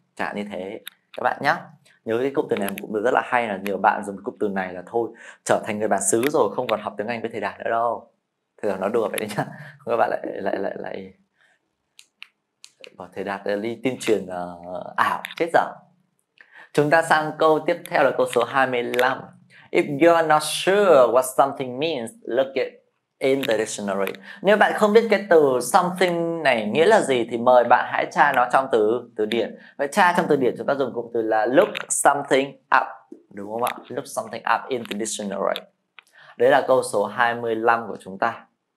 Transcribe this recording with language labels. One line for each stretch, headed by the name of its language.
Vietnamese: Chả như thế các bạn nhá. Nhớ cái cụm từ này cũng rất là hay, là nhiều bạn dùng cụm từ này là thôi trở thành người bản xứ rồi, không còn học tiếng Anh với thầy Đạt nữa đâu. Thầy nói đùa vậy đấy nhá. Không, các bạn lại bảo thầy Đạt đi tuyên truyền ảo chết dở. Chúng ta sang câu tiếp theo là câu số 25.
English: If you're not sure what something means, look it in the dictionary.
Vietnamese: Nếu bạn không biết cái từ something này nghĩa là gì thì mời bạn hãy tra nó trong từ điển. Vậy tra trong từ điển chúng ta dùng cụm từ là
English: look something up.
Vietnamese: Đúng không ạ?
English: Look something up in the dictionary.
Vietnamese: Đấy là câu số 25 của chúng ta.